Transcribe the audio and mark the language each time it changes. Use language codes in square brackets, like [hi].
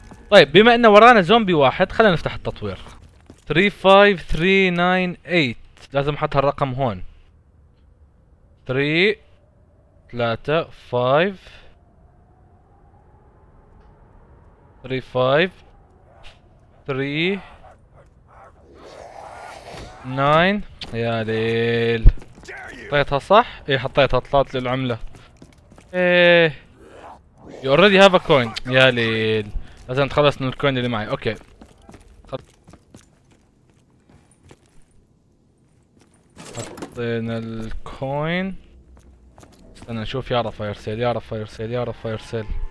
[ar] طيب بما ان ورانا زومبي واحد، خلينا نفتح التطوير 35398، لازم احط هالرقم هون 3 3 5 3 5 3 9. يا ليل حطيتها صح؟ ايه حطيتها، طلعت للعملة. [en] ايه you already have a coin. [ar] يا ليل لازم تخلص من الكوين اللي معي. اوكي حطينا الكوين، استنى نشوف. يعرف فاير سيل، يعرف فاير سيل، يعرف فاير سيل.